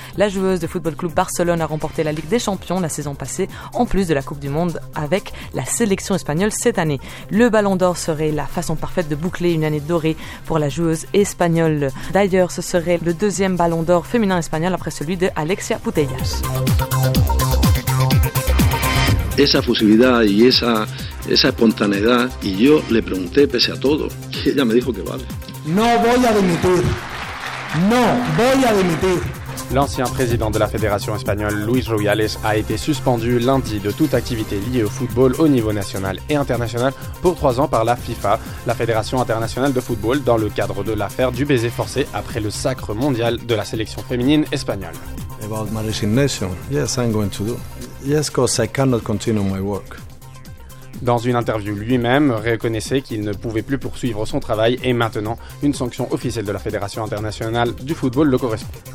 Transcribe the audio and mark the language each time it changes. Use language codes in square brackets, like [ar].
[fr] La joueuse de Football Club Barcelone a remporté la Ligue des Champions la saison passée, en plus de la Coupe du Monde avec la sélection espagnole cette année. Le Ballon d'Or serait la façon parfaite de boucler une année dorée pour la joueuse espagnole. D'ailleurs, ce serait le 2e Ballon d'Or féminin espagnol après celui de Alexia Putellas. [es] Esa posibilidad y esa esa espontaneidad, y yo le pregunté pese a todo, y ella me dijo que vale. No voy a dimitir, no voy a dimitir. [fr] L'ancien président de la Fédération espagnole, Luis Rubiales, a été suspendu lundi de toute activité liée au football au niveau national et international pour 3 ans par la FIFA, la Fédération internationale de football, dans le cadre de l'affaire du baiser forcé après le sacre mondial de la sélection féminine espagnole. [en] About my resignation, yes, I'm going to do. Yes, because I cannot continue my work. [fr] Dans une interview, lui-même reconnaissait qu'il ne pouvait plus poursuivre son travail et maintenant, une sanction officielle de la Fédération internationale du football le correspond.